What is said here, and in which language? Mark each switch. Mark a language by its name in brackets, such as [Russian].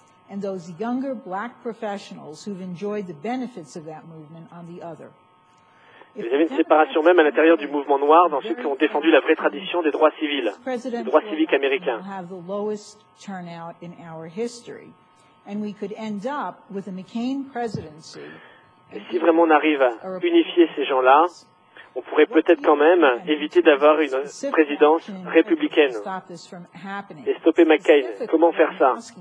[English] And those younger black professionals who've enjoyed the benefits of that movement on the other. [French] Vous avez une séparation même à l'intérieur du mouvement noir dans ceux qui ont défendu la vraie tradition des droits civils, des droits civiques américains. [English] We have the lowest turnout in our history, and we could end up with a McCain presidency. [French] Et si vraiment on arrive à unifier ces gens-là, on pourrait peut-être quand même éviter d'avoir une présidence républicaine et stopper McCain. Comment faire ça?